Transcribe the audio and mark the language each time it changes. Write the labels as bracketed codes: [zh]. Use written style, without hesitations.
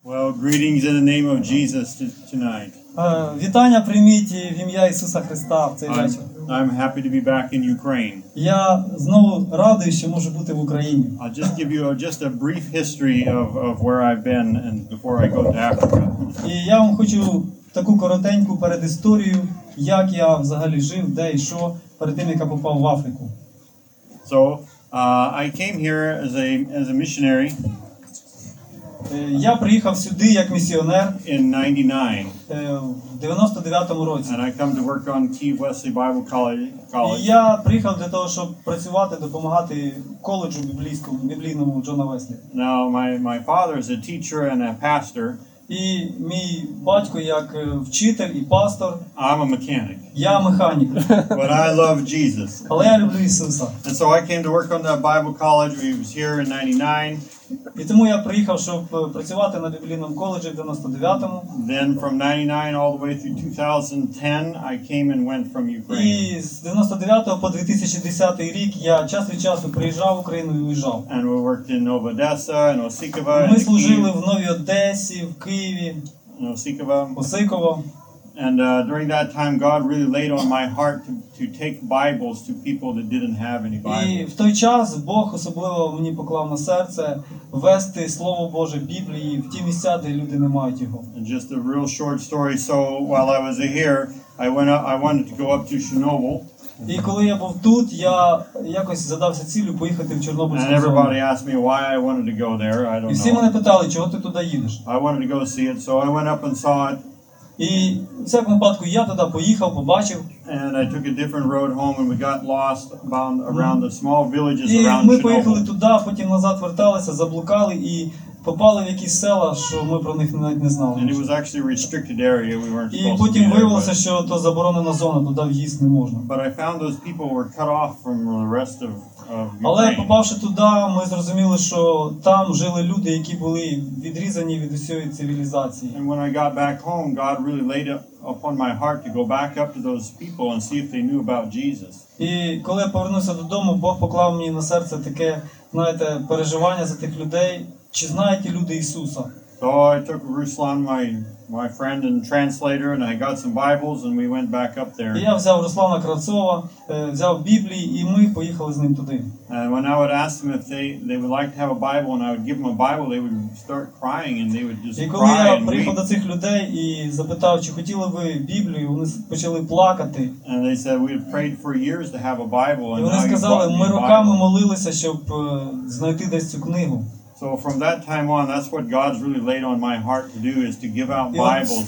[en] Greetings in the name of Jesus tonight. [uk] Вітання прийміть в ім'я Ісуса Христа в цей вечір. [en] I'm happy to be back in Ukraine. [uk] Я знову радий, що можу бути в Україні. [en] I'll just give you just a brief history of where I've been and before I go to Africa. [uk] І я вам хочу таку коротеньку передісторію, як я взагалі жив, де і що, перед тим, як я попав в Африку. [en] So, I came here as a missionary. [uk] Я приїхав сюди як місіонер [en] in 99. [uk] В 99-му році. [en] And I come to work on Keith Wesley Bible College. [uk] Я приїхав для того, щоб працювати, допомагати коледжу біблійському, біблійному Джона Веслі. [en] Now, my father is a teacher and a pastor. [uk] І мій батько як вчитель і пастор. [en] I'm a mechanic. [uk] Я механік. [en] But I love Jesus. [uk] Але я люблю Ісуса. [en] And so I came to work on the Bible college. He was here in 99. [uk] І тому я приїхав, щоб працювати на біблійному коледжі в 99-му. [en] Then from 99 all the way through 2010, I came and went from Ukraine. [uk] І з 99-го по 2010 рік я час від часу приїжджав в Україну і виїжджав. [en] And we worked in Nova Odessa, in Osikova. [uk] Ми служили в Новій Одесі, в Києві. [en] In Osikova. [uk] Осиково. [en] And during that time God really laid on my heart to take Bibles to people that didn't have any Bibles. [uk] І в той час Бог особливо мені поклав на серце вести слово Боже Біблії в ті місця, де люди не мають його. [en] And just a real short story, so while I was here, I wanted to go up to Chernobyl. [uk] І коли я був тут, я якось задався ціллю поїхати в Чорнобильську зону. [en] And everybody asked me why I wanted to go there. I don't know. [uk] І всі мене питали, чого ти туди їдеш? [en] I wanted to go see it, so I went up and saw it. [uk] І в всякому випадку я туди поїхав, побачив. [en] And I took a different road home and we got lost around the small villages around [uk] Chernobyl. І ми поїхали туди, потім назад верталися, заблукали і попали в якісь села, що ми про них навіть не знали. [en] And it was actually a restricted area, we weren't supposed to be there. [uk] І потім виявилося, що то заборонена зона, туди в'їзд не можна. [en] But I found those people were cut off from the rest of Ukraine. [uk] Але попавши туди, ми зрозуміли, що там жили люди, які були відрізані від усієї цивілізації. [en] And when I got back home, God really laid upon my heart to go back up to those people and see if they knew about Jesus. [uk] І коли я повернувся додому, Бог поклав мені на серце таке, знаєте, переживання за тих людей. Чи знаєте люди Ісуса? [en] So I took Ruslan, my friend and translator, and I got some Bibles, and we went back up there. [uk] Я взяв Руслана Кравцова, взяв Біблії, і ми поїхали з ним туди. [en] And when I would ask them if they would like to have a Bible, and I would give them a Bible, they would start crying, and they would just cry and weep. [uk] І коли я приїхав до цих людей і запитав, чи хотіли ви Біблію, вони почали плакати. [en] And they said, we had prayed for years to have a Bible, and now you've brought me a Bible. [uk] І вони сказали, ми роками молилися, щоб знайти десь цю книгу. [en] So from that time on, that's what God's really laid on my heart to do, is to give out Bibles